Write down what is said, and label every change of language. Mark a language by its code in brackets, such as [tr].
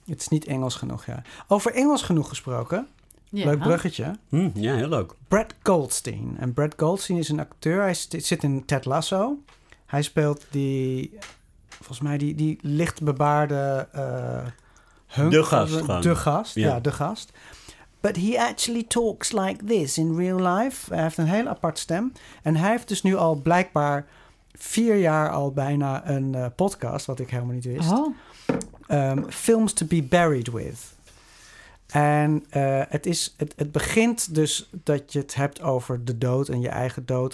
[nl] Het is niet Engels genoeg, ja. Over Engels genoeg gesproken. [en] Yeah. [nl] Leuk bruggetje. Ja, heel leuk. Brad Goldstein. En Brad Goldstein is een acteur. Hij zit in Ted Lasso. Hij speelt die licht bebaarde... De gast. [en] But he actually talks like this in real life. [nl] Hij heeft een heel apart stem. En hij heeft dus nu al blijkbaar 4 jaar al bijna een podcast, wat ik helemaal niet wist. Oh. [en] Films to be buried with. [nl] En het begint dus dat je het hebt over de dood en je eigen dood.